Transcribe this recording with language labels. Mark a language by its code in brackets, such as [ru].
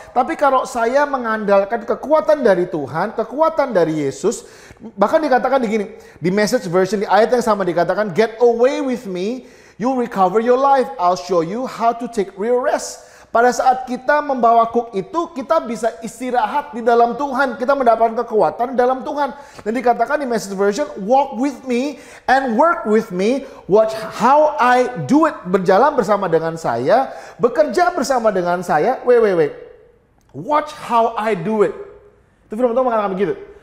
[id] Tapi kalau saya mengandalkan kekuatan dari Tuhan, kekuatan dari Yesus, bahkan dikatakan begini, di Message version di ayat yang sama dikatakan, get away with me, you'll recover your life, I'll show you how to take real rest. Pada saat kita membawa kuk itu, kita bisa istirahat di dalam Tuhan. Kita mendapatkan kekuatan dalam Tuhan. [en] Dan dikatakan di Message version, walk with me and work with me. Watch how I do it. [id] Berjalan bersama dengan saya. Bekerja bersama dengan saya. Wait. Watch how I do it. Itu firman Tuhan mengatakan begitu.